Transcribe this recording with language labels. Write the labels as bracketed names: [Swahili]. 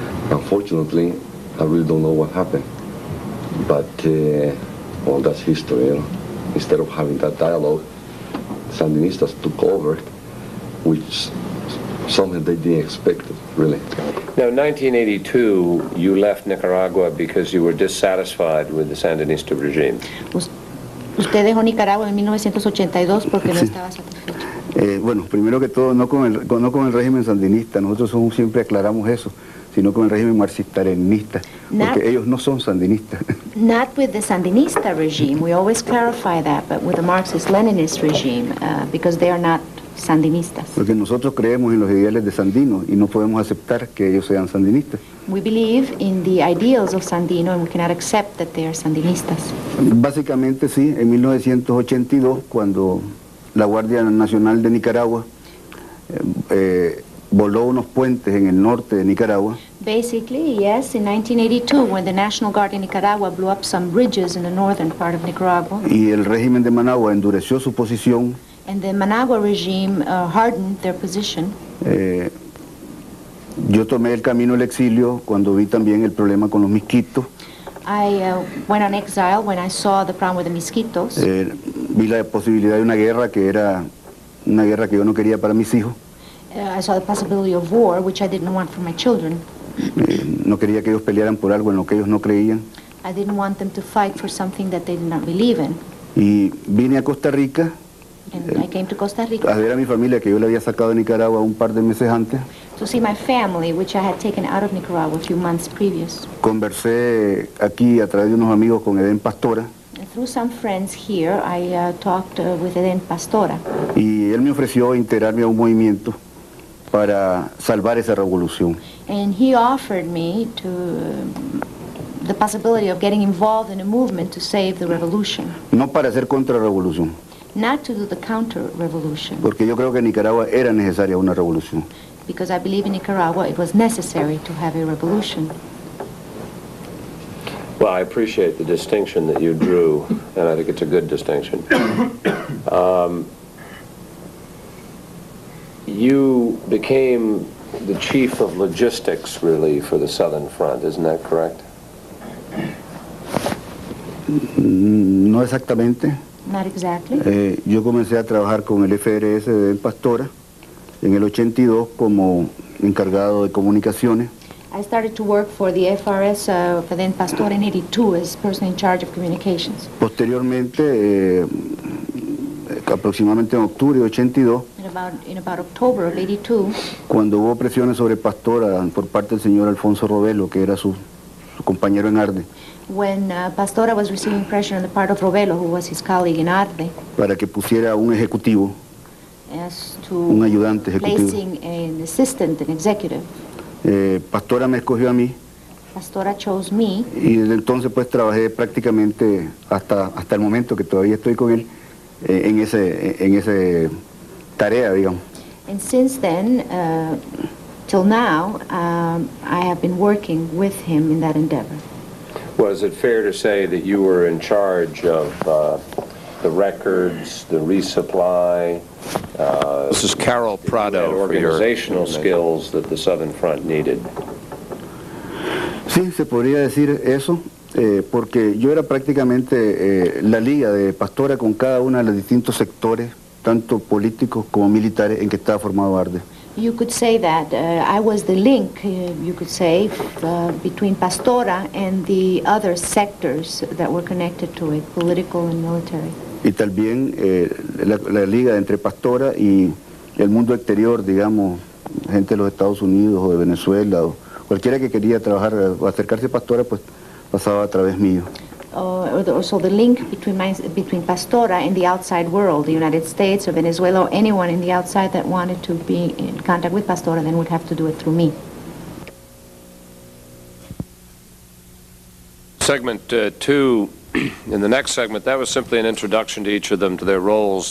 [English] Unfortunately, I really don't know what happened. But, well, that's history, you know. Instead of having that dialogue, Sandinistas took over, which something they didn't expect, really. Now, in 1982, you left Nicaragua because you were dissatisfied with the Sandinista regime. [Spanish] Usted dejó Nicaragua en 1982 porque no estaba satisfecho. Bueno, primero que todo, no con el régimen sandinista. Nosotros siempre aclaramos eso, sino con el régimen marxista-leninista, porque ellos no son sandinistas. [English] Not with the Sandinista regime. We always clarify that, but with the Marxist-Leninist regime, because they are not sandinistas. [Spanish] Porque nosotros creemos en los ideales de Sandino y no podemos aceptar que ellos sean sandinistas. [English] We believe in the ideals of Sandino and we cannot accept that they are sandinistas. [Spanish] Básicamente sí, en 1982, cuando la Guardia Nacional de Nicaragua voló unos puentes en el norte de Nicaragua. [English] Basically, yes, in 1982, when the National Guard in Nicaragua blew up some bridges in the northern part of Nicaragua. [Spanish] Y el régimen de Managua endureció su posición. [English] And the Managua regime hardened their position. [Spanish] Yo tomé el camino del exilio cuando vi también el problema con los misquitos. [English] I went on exile when I saw the problem with the mosquitoes. [Spanish] Vi la posibilidad de una guerra que era una guerra que yo no quería para mis hijos. [English] I saw the possibility of war, which I didn't want for my children. [Spanish] No quería que ellos pelearan por algo en lo que ellos no creían. [English] I didn't want them to fight for something that they did not believe in. [Spanish] Y vine a Costa Rica. [English] And I came to Costa Rica. [Spanish] A ver a mi familia que yo le había sacado de Nicaragua un par de meses antes. [English] To see my family, which I had taken out of Nicaragua a few months previous. [Spanish] Conversé aquí a través de unos amigos con Eden Pastora. [English] And through some friends here, I talked with Eden Pastora. [Spanish] Y él me ofreció integrarme a un movimiento para salvar esa revolución. [English] And he offered me to the possibility of getting involved in a movement to save the revolution. [Spanish] No para hacer contrarrevolución. [English] Not to do the counter-revolution. [Spanish] Porque yo creo que en Nicaragua era necesaria una revolución. [English] Because I believe in Nicaragua it was necessary to have a revolution. Well, I appreciate the distinction that you drew, and I think it's a good distinction. You became the chief of logistics, really, for the Southern Front, isn't that correct? [Spanish] No exactamente. [English] Not exactly. [Spanish] Yo comencé a trabajar con el FRS de Pastora en el 82 como encargado de comunicaciones. [English] I started to work for the FRS of then Pastora in 82 as person in charge of communications. [Spanish] Posteriormente, aproximadamente en octubre de 82, [English] in about October of 82, [Spanish] cuando hubo presiones sobre Pastora por parte del señor Alfonso Robelo, que era su compañero en ARDE. [English] When Pastora was receiving pressure on the part of Robelo, who was his colleague in ARDE, [Spanish] para que pusiera un ejecutivo, [English] as to [Spanish] un ayudante ejecutivo, [English] placing an assistant, an executive, [Spanish] Pastora me escogió a mí. [English] Pastora chose me. [Spanish] Y desde entonces pues trabajé prácticamente hasta el momento que todavía estoy con él en ese tarea, digamos. [English] And since then, till now, I have been working with him in that endeavor. Was it fair to say that you were in charge of the records, the resupply? This is Carol Prado. Organizational skills that the Southern Front needed. [Spanish] Sí, se podría decir eso, porque yo era prácticamente la liga de Pastora con cada uno de los distintos sectores, tanto políticos como militares, en que estaba formado ARDE. [English] You could say that I was the link, you could say, between Pastora and the other sectors that were connected to it, political and military. [Spanish] Y también la liga entre Pastora y el mundo exterior, digamos, gente de los Estados Unidos o de Venezuela, o cualquiera que quería trabajar o acercarse a Pastora, pues pasaba a través mío. [English] So the link between Pastora and the outside world, the United States or Venezuela, or anyone in the outside that wanted to be in contact with Pastora, then would have to do it through me. Segment two, in the next segment, that was simply an introduction to each of them, to their roles.